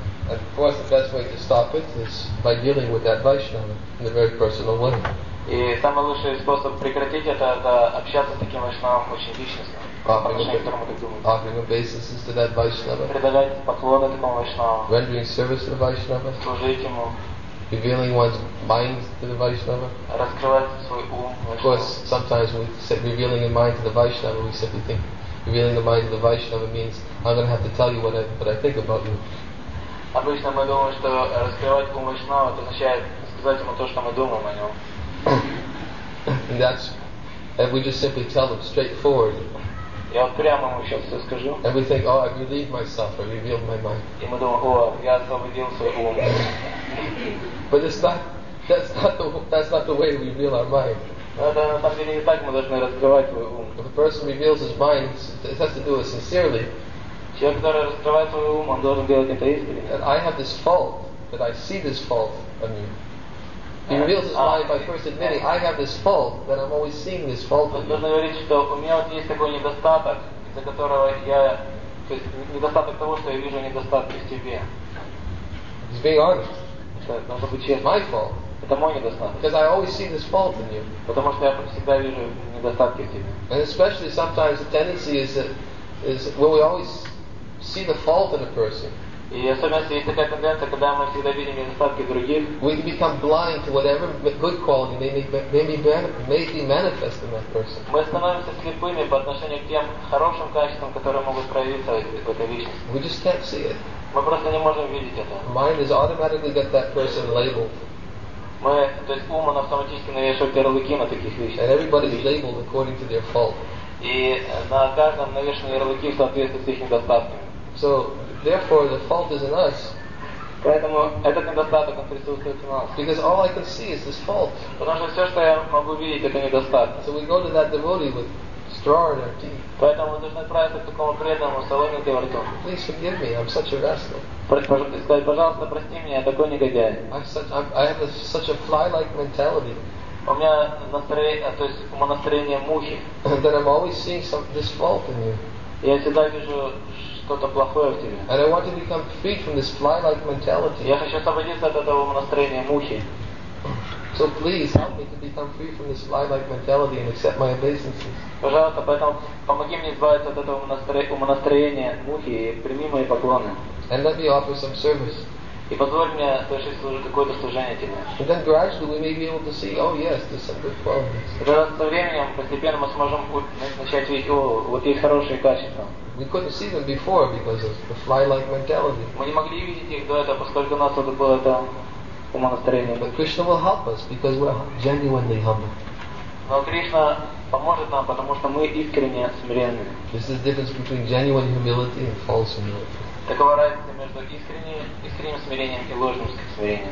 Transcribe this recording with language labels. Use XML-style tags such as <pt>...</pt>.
<en>And of course, the best way to stop it is by dealing with that Vaishnava in a very personal way.</en> <ru>И самый лучший способ прекратить это общаться с таким Вайшнавом очень личностно.</ru> <en>Offering obeisances to that Vaishnava.</en> <ru>Предлагать поклоны такому Вайшнаву.</ru> <en>Rendering service to the Vaishnava.</en> <ru>Служить ему.</ru> <en>Revealing one's mind to the Vaishnava.</en> <ru>Раскрывать свой ум.</ru> <en>Of course, sometimes we say revealing a mind to the Vaishnava, we simply think revealing the mind to the Vaishnava means I'm going to have to tell you what I think about you.</en> <ru>Обычно мы думаем, что раскрывать ум Вайшнава означает сказать ему то, что мы думаем о нем.</ru> <en>And that's, and we just simply tell them straightforward.</en> <ru>Я вот прямо ему сейчас все скажу.</ru> <en>And we think, oh, I've relieved myself, I've revealed my mind.</en> <ru>И мы думаем, о, я освободил свой ум.</ru> <en>But it's not, that's not the way we reveal our mind.</en> <ru>Но это на самом деле не так, мы должны раскрывать свой ум.</ru> <en>If a person reveals his mind, it has to do it sincerely.</en> <ru>Человек, который раскрывает свой ум, он должен делать это искренне.</ru> <en>And I have this fault, that I see this fault on you. He reveals his mind by first admitting, I have this fault, that I'm always seeing this fault.</en> <ru>Он должен говорить, что у меня вот есть такой недостаток, из-за которого я, то есть недостаток того, что я вижу недостатки в тебе.</ru> <en>He's being honest. My fault.</en> <ru>Это мой недостаток.</ru> <en>Because I always see this fault in you.</en> <ru>Потому что я всегда вижу недостатки в тебе.</ru> <en>And especially sometimes the tendency is that when we always see the fault in a person.</en> <ru>И особенно если есть такая тенденция, когда мы всегда видим недостатки других.</ru> <en>We become blind to whatever good quality may be manifest in that person.</en> <ru>Мы становимся слепыми по отношению к тем хорошим качествам, которые могут проявиться в этой личности.</ru> <en>We just can't see it.</en> <ru>Мы просто не можем видеть это.</ru> <en>Mind has automatically got that person labeled.</en> <ru>Мы, то есть ум, он автоматически навешивает ярлыки на таких вещах.</ru> <en>And everybody's labeled according to their fault.</en> <ru>И на каждом навешаны ярлыки в соответствии с их недостатками.</ru> <en>So, therefore, the fault is in us.</en> <ru>Поэтому этот недостаток, он присутствует в нас.</ru> <en>Because all I can see is this fault.</en> <ru>Потому что все, что я могу видеть, это недостаток.</ru> <en>So we go to that devotee with straw in our teeth.</en> <ru>Поэтому мы должны отправиться к такому преданному с соломинкой во рту.</ru> <en>Please forgive me, I'm such a rascal.</en> <ru>Сказать, пожалуйста, прости меня, я такой негодяй.</ru> <en>I have such a fly-like mentality.</en> <ru>У меня настроение, то есть у меня настроение мухи.</ru> <en>That I'm always seeing this fault in you.</en> <ru>Я всегда вижу что-то плохое в тебе.</ru> <en>And I want to become free from this fly-like mentality.</en> <ru>Я хочу освободиться от этого настроения мухи.</ru> <en>So please help me to become free from this fly-like mentality and accept my obeisances.</en> <ru>Пожалуйста, поэтому помоги мне избавиться от этого настроения мухи и прими мои поклоны.</ru> <en>And let me offer some service.</en> <ru>И позволь мне совершить какое-то служение тебе.</ru> <en>And then gradually we may be able to see, oh yes, there's some good qualities.</en> <ru>Да, со временем постепенно мы сможем начать видеть, о, вот есть хорошие качества.</ru> <en>We couldn't see them before because of the fly-like mentality.</en> <ru>Мы не могли видеть их до этого, поскольку у нас это было там.</ru> <en>But Krishna will help us because we're genuinely humble.</en> <ru>Но Кришна поможет нам, потому что мы искренне смиренны.</ru> <en>This is the difference between genuine humility and false humility.</en> <ru>Такова разница между искренним смирением и ложным смирением.</ru>